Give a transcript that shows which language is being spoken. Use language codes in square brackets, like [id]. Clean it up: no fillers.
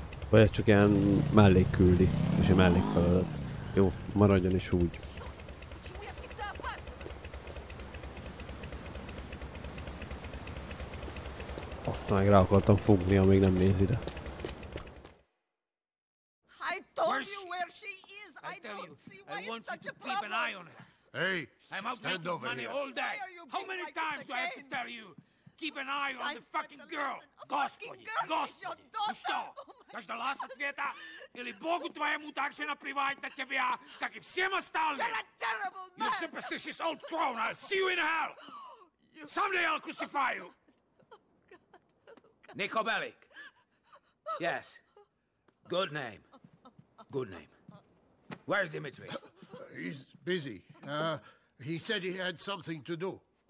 [hu] Vagy ez csak ilyen mellék küldi, és egy mellék feladat. Jó, maradjon is úgy. Azt meg rá akartam fogni, amíg nem néz ide. [en] I told you where she is. I don't you, see why it's such a problem. An eye on her. Hey, I'm out making money here all day. How many like times do I have to tell you? Keep an eye on the fucking girl. [ru] Господи, Господи, ну что, ответа? Или Богу твоему так же наплевать на тебя, как и всем остальным? [en] You superstitious old crone, I'll see you in hell. Someday I'll crucify you. Nico Bellic. Yes. Good name. Good name. Where's Dimitri? He's busy. He said he had something to do.